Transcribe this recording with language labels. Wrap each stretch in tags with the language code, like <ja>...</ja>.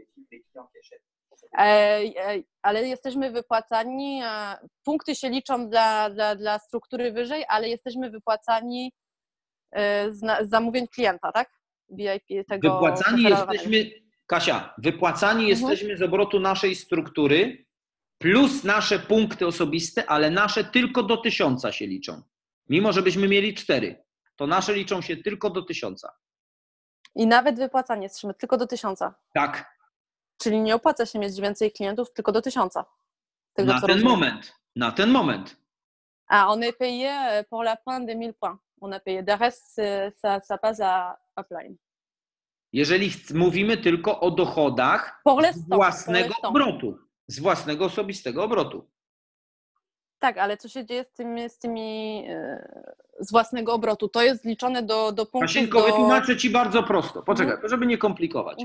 <fr>Des clients qui achètent. Mais nous sommes wypłacani.</fr> <pl>Punkty się liczą dla struktury wyżej, ale jesteśmy wypłacani z zamówień klienta, tak? VIP tego. Wypłacani jesteśmy. Kasia, wypłacani jesteśmy z obrotu naszej struktury plus nasze punkty osobiste, ale nasze tylko do 1000 się liczą. Mimo, że byśmy mieli 4, to nasze liczą się tylko do 1000. I nawet wypłacanie jesteśmy tylko do 1000. Tak. Czyli nie opłaca się mieć więcej klientów, tylko do 1000. Tego, na ten rozumiem. Moment. Na ten moment.</pl> <fr>A on est payé pour la fin de 1000 points. On est payé. De reste, ça passe à upline.</fr> <pl>Jeżeli mówimy tylko o dochodach z własnego obrotu, z własnego osobistego obrotu. Tak, ale co się dzieje z tymi z własnego obrotu? To jest liczone do punktów. Kasienko, wytłumaczę ci bardzo prosto. Poczekaj, żeby nie komplikować.</pl>